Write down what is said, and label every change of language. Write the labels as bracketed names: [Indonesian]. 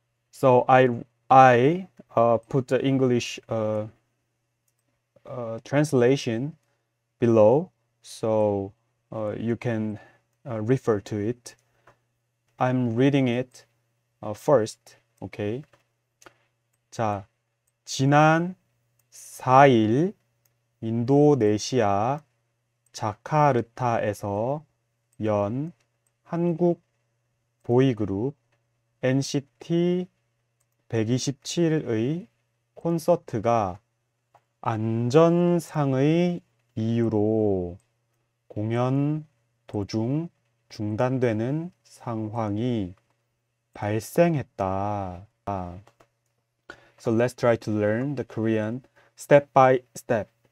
[English] So I put the English translation below so you can refer to it. I'm reading it first, okay? [Korean] 자, 지난 4일 인도네시아 자카르타에서 연 한국 보이그룹 NCT 127의 콘서트가 안전상의 이유로 공연 도중 중단되는 상황이 발생했다. [English] So let's try to learn the Korean step by step.